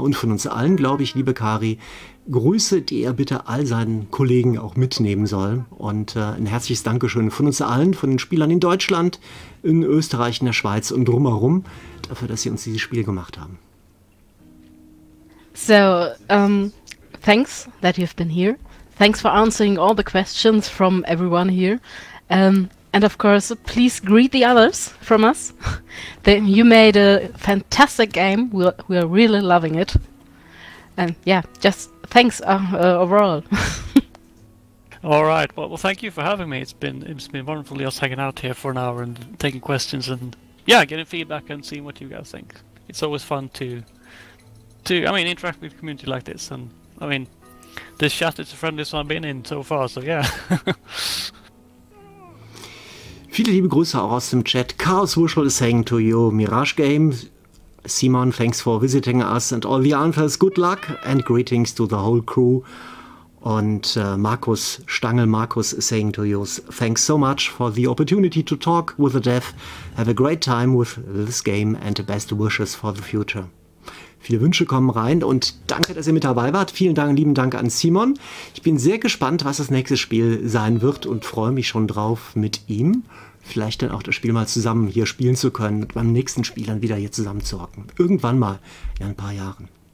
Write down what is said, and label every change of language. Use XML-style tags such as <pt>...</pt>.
<de>Und von uns allen, glaube ich, liebe Kari, Grüße, die er bitte all seinen Kollegen auch mitnehmen soll. Und ein herzliches Dankeschön von uns allen, von den Spielern in Deutschland, in Österreich, in der Schweiz und drumherum, dafür, dass sie uns dieses Spiel gemacht haben.</de> <en>So, thanks that you've been here. Thanks for answering all the questions from everyone here. And of course, please greet the others from us. You made a fantastic game. We're really loving it. And yeah, just thanks overall. All right. Well, thank you for having me. It's been wonderful just hanging out here for an hour and taking questions and yeah, getting feedback and seeing what you guys think. It's always fun to interact with the community like this. And I mean, this chat is the friendliest one I've been in so far. So yeah.</en> <de>Viele liebe Grüße auch aus dem Chat.</de> <en>Chaos Wushul is saying to you, Mirage Game. Simon, thanks for visiting us and all the answers. Good luck and greetings to the whole crew. And Markus Stangel, Markus is saying to you, thanks so much for the opportunity to talk with the dev. Have a great time with this game and the best wishes for the future.</en> <de>Viele Wünsche kommen rein und danke, dass ihr mit dabei wart. Vielen Dank, lieben Dank an Simon. Ich bin sehr gespannt, was das nächste Spiel sein wird und freue mich schon drauf, mit ihm vielleicht dann auch das Spiel mal zusammen hier spielen zu können und beim nächsten Spiel dann wieder hier zusammen zu hocken. Irgendwann mal, in ein paar Jahren.</de>